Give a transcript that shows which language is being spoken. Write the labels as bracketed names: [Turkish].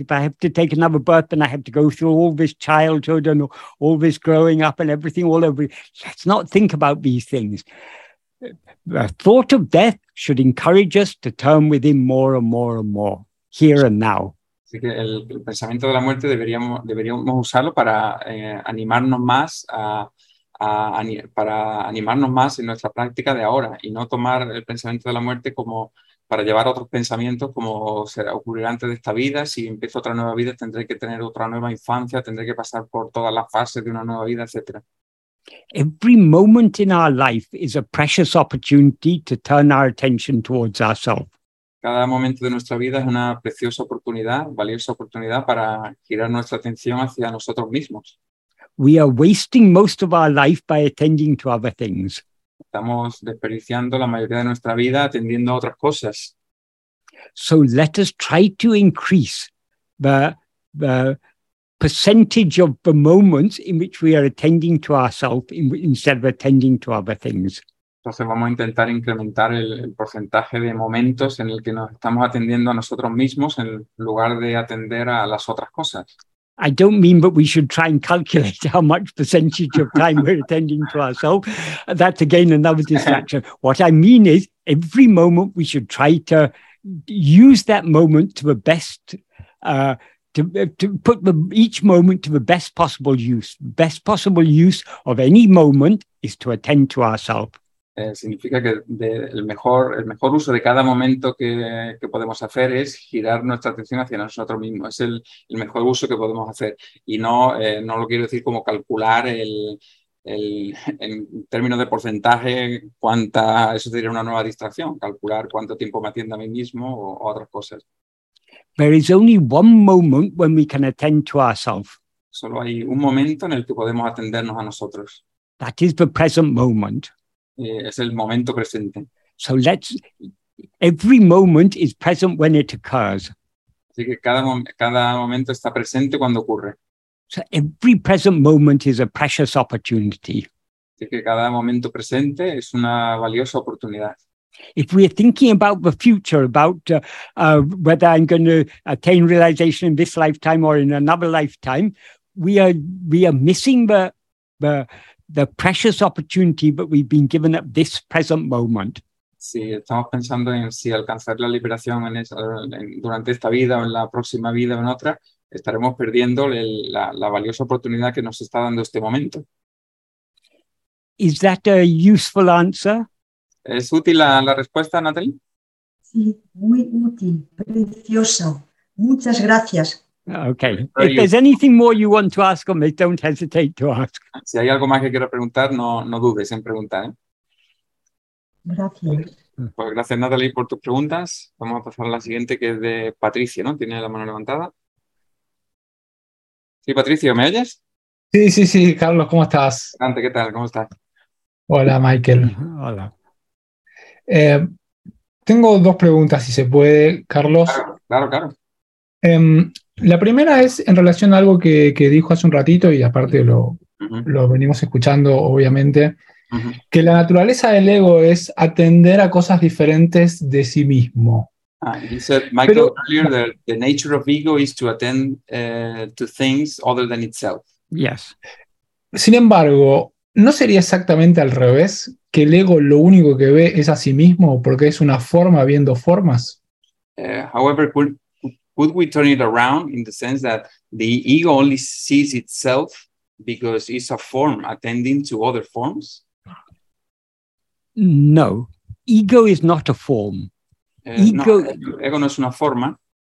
[English] If I have to take another birth, then I have to go through all this childhood and all this growing up and everything all over. Let's not think about these things. The thought of death should encourage us to turn within more and more and more, here and now. [Spanish] Así que el pensamiento de la muerte deberíamos usarlo para animarnos más para animarnos más en nuestra práctica de ahora y no tomar el pensamiento de la muerte como para llevar a otros pensamientos, como será ocurrirá antes de esta vida, si empiezo otra nueva vida tendré que tener otra nueva infancia, tendré que pasar por todas las fases de una nueva vida, etc. [English] Every moment in our life is a precious opportunity to turn our attention towards ourselves. [Spanish] Cada momento de nuestra vida es una preciosa oportunidad, valiosa oportunidad para girar nuestra atención hacia nosotros mismos. [English] We are wasting most of our life by attending to other things. [Spanish] Estamos desperdiciando la mayoría de nuestra vida atendiendo a otras cosas. [English] So let us try to increase the percentage of the moments in which we are attending to ourselves instead of attending to other things. [Spanish] Entonces vamos a intentar incrementar el porcentaje de momentos en el que nos estamos atendiendo a nosotros mismos en lugar de atender a las otras cosas. [English] I don't mean that we should try and calculate how much percentage of time we're attending to ourselves. That's again another distraction. What I mean is every moment we should try to use that moment to the best, to put each moment to the best possible use. Best possible use of any moment is to attend to ourselves. [Spanish] Significa que el mejor uso de cada momento que podemos hacer es girar nuestra atención hacia nosotros mismos. Es el mejor uso que podemos hacer. Y no lo quiero decir como calcular en términos de porcentaje, eso sería una nueva distracción, calcular cuánto tiempo me atiendo a mí mismo o otras cosas. [English] There is only one moment when we can attend to ourselves. [Spanish] Solo hay un momento en el que podemos atendernos a nosotros. [English] That is the present moment. [Spanish] Es el momento presente. [English] So every moment is present when it occurs. [Spanish] Así que cada momento está presente cuando ocurre. [English] So every present moment is a precious opportunity. [Spanish] Así que cada momento presente es una valiosa oportunidad. [English] If we are thinking about the future, about whether I'm going to attain realization in this lifetime or in another lifetime, we are missing the precious opportunity that we've been given at this present moment. [Spanish] Sí, estamos pensando en si alcanzar la liberación durante esta vida o en la próxima vida o en otra, estaremos perdiendo la valiosa oportunidad que nos está dando este momento. [English] Is that a useful answer? [Spanish] ¿Es útil la respuesta, Natalie? Sí, muy útil, precioso. Muchas gracias. [English] Okay. If there's anything more you want to ask on this, don't hesitate to ask. [Spanish] Si hay algo más que quiero preguntar, no dudes en preguntar. ¿Eh? Gracias. Pues gracias, Natalie, por tus preguntas. Vamos a pasar a la siguiente, que es de Patricio, ¿no? Tiene la mano levantada. Sí, Patricio, ¿me oyes? Sí, Carlos, ¿cómo estás? Dante, ¿qué tal? ¿Cómo estás? Hola, Michael. Hola. Tengo dos preguntas, si se puede, Carlos. Claro. La primera es en relación a algo que dijo hace un ratito, y aparte lo venimos escuchando, obviamente, que la naturaleza del ego es atender a cosas diferentes de sí mismo. [English] He said, Michael, earlier, that the nature of ego is to attend to things other than itself. Yes. [Spanish] Sin embargo, ¿no sería exactamente al revés, que el ego lo único que ve es a sí mismo porque es una forma viendo formas? [English] However, could we turn it around in the sense that the ego only sees itself because it's a form attending to other forms? No, ego is not a form. [Spanish] Ego no es una forma.